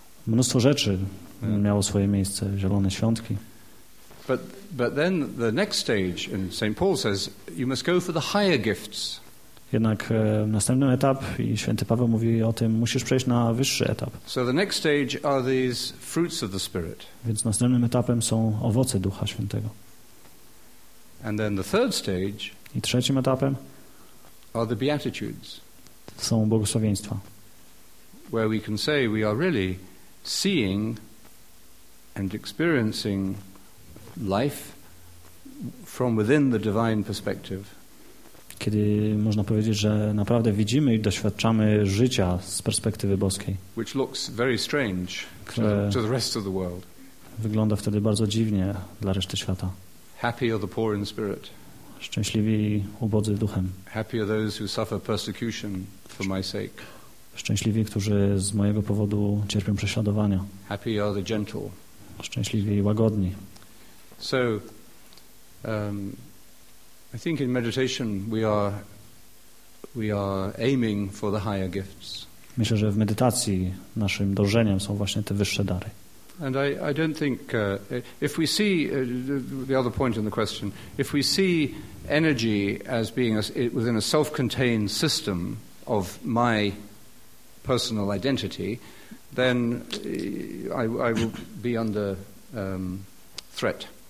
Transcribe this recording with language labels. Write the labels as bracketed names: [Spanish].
[Polish] Mnóstwo rzeczy miało swoje miejsce. Zielone świątki. [English] But then the next stage, and St. Paul says, you must go for the higher gifts. [Polish] Jednak następny etap, i Święty Paweł mówi o tym, musisz przejść na wyższy etap. [English] So the next stage are these fruits of the Spirit. [Polish] Więc następnym etapem są owoce Ducha Świętego. [English] And then the third stage. [Polish] I trzecim etapem [English] are the Beatitudes. [Polish] Są błogosławieństwa. [English] Where we can say we are really seeing and experiencing life from within the divine perspective. [Polish] Kiedy można powiedzieć, że naprawdę widzimy i doświadczamy życia z perspektywy boskiej. [English] Which looks very strange to the rest of the world. [Polish] Wygląda wtedy bardzo dziwnie dla reszty świata. [English] Happy are the poor in spirit. [Polish] Szczęśliwi ubodzy duchem. [English] Happy are those who suffer persecution for my sake. [Polish] Szczęśliwi, którzy z mojego powodu cierpią prześladowania. [English] Happy are the gentle. [Polish] Szczęśliwi i łagodni. [English] So I think in meditation we are aiming for the higher gifts. [Polish] Myślę, że w medytacji naszym dążeniem są właśnie te wyższe dary. [English] And I don't think if we see the other point in the question, if we see energy as being within a self-contained system of my personal identity, then I will be under threat.